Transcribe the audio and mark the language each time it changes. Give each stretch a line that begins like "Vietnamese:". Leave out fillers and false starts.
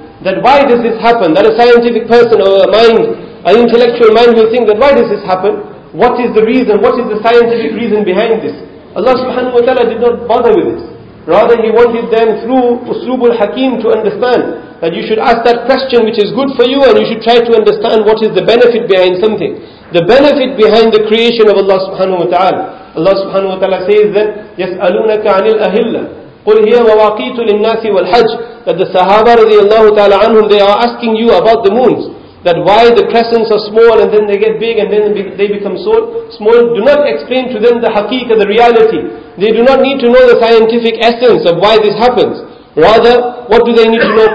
English: That why does this happen? That a scientific person or a mind, an intellectual mind will think that why does this happen? What is the reason? What is the scientific reason behind this? Allah subhanahu wa ta'ala did not bother with this. Rather, He wanted them through Uslubul Hakim to understand that you should ask that question which is good for you, and you should try to understand what is the benefit behind something. the benefit behind the creation of Allah subhanahu wa ta'ala. Allah subhanahu wa ta'ala says that
Arabic: يَسْأَلُونَكَ عَنِ الْأَهِلَّةِ قُلْ هِيَ وَوَاقِيتُ لِلنَّاسِ وَالْحَجِ.
English: That the Sahaba radiallahu ta'ala anhum, they are asking you about the moons, that why the crescents are small and then they get big and then they become so small. Do not explain to them the haqiqah, the reality. They do not need to know the scientific essence of why this happens. Rather, what do they need to know?